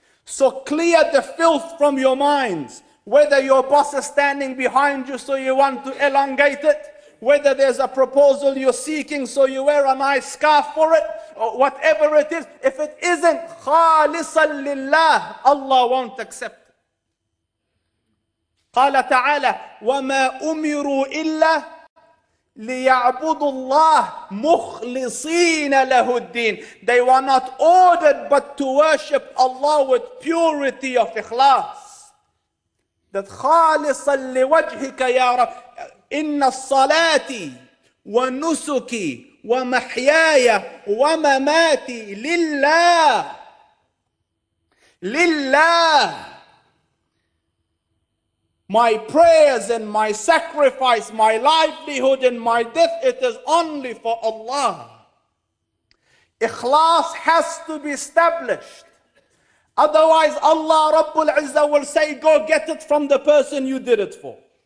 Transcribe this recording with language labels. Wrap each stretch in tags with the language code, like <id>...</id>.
<en>So clear the filth from your minds. Whether your boss is standing behind you so you want to elongate it, whether there's a proposal you're seeking so you wear a nice scarf for it, or whatever it is, if it isn't khalisan lillah, Allah won't accept it.</en> <ar>قال تعالى وما أمروا إلا ليعبدوا الله مخلصين له الدين.</ar> <en>They were not ordered but to worship Allah with purity of ikhlas.</en> <ar>That khalisan liwajhika ya Rab. إن الصلاة ونسكي ومحياي ومماتي لله لله.</ar> <en>My prayers and my sacrifice, my livelihood and my death, it is only for Allah. Ikhlas has to be established. Otherwise Allah Rabbul Izzah will say, go get it from the person you did it for.</en>